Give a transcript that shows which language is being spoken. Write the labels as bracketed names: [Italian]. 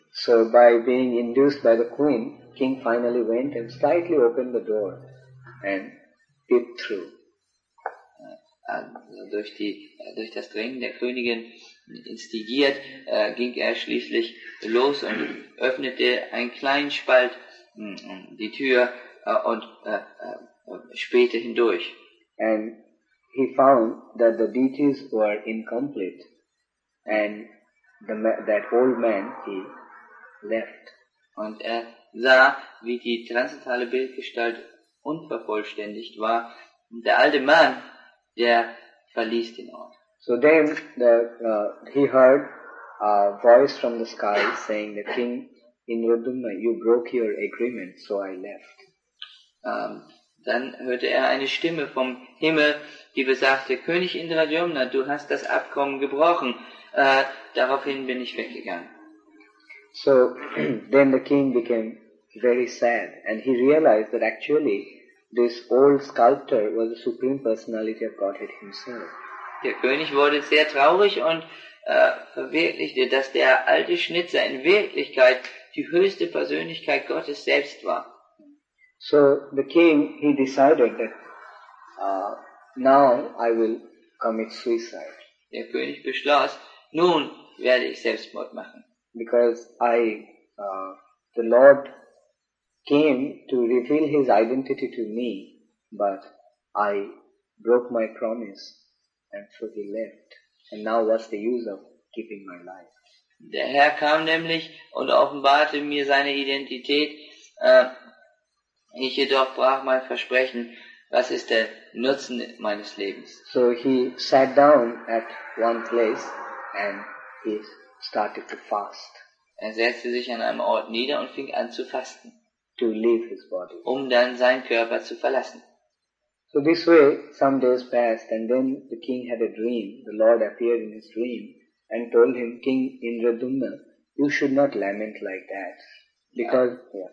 [English] So, by being induced by the queen, king finally went and slightly opened the door and peeped through. [German] Durch das Drängen der Königin instigiert, ging er schließlich los und öffnete einen kleinen Spalt die Tür und spähte hindurch. [English] And he found that the duties were incomplete, and that old man he left. [German] Und er sah, wie die transzendentale Bildgestalt unvervollständigt war. Und der alte Mann, der verließ den Ort. [English] So then he heard a voice from the sky saying, "The king Indradumna, you broke your agreement, so I left." [German] Dann hörte er eine Stimme vom Himmel, die besagte, König Indradumna, du hast das Abkommen gebrochen. Daraufhin bin ich weggegangen. [English] So then the king became very sad, and he realized that actually this old sculptor was the supreme personality of Godhead himself. [German] Der König wurde sehr traurig und verwirklichte, dass der alte Schnitzer in Wirklichkeit die höchste Persönlichkeit Gottes selbst war. [English] So the king, he decided that now I will commit suicide. [German] Der König beschloss, nun werde ich Selbstmord machen. [English] Because the Lord came to reveal his identity to me, but I broke my promise, and so he left. And now what's the use of keeping my life? [German] Der Herr kam nämlich und offenbarte mir seine Identität. Ich jedoch brach mein Versprechen. Was ist der Nutzen meines Lebens? [English] So he sat down at one place and he started to fast. [German] Er setzte sich an einem Ort nieder und fing an zu fasten, [English] to leave his body, [German] um dann seinen Körper zu verlassen. [English] So this way some days passed, and then the king had a dream. The Lord appeared in his dream and told him, King Indradumna, you should not lament like that, because ja.